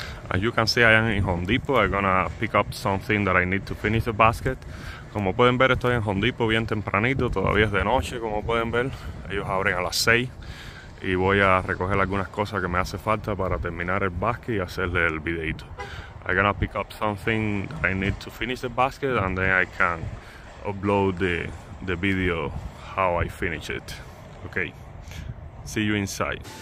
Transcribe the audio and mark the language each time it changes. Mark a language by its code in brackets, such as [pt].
[en] As you can see, I am in Home Depot. I'm gonna pick up something that I need to finish the basket. [es] Como pueden ver, estoy en Home Depot bien tempranito, todavía es de noche, como pueden ver. Ellos abren a las 6 y voy a recoger algunas cosas que me hace falta para terminar el basket y hacerle el videito. [en] I'm gonna pick up something that I need to finish the basket and then I can upload the video how I finish it. Okay. See you inside.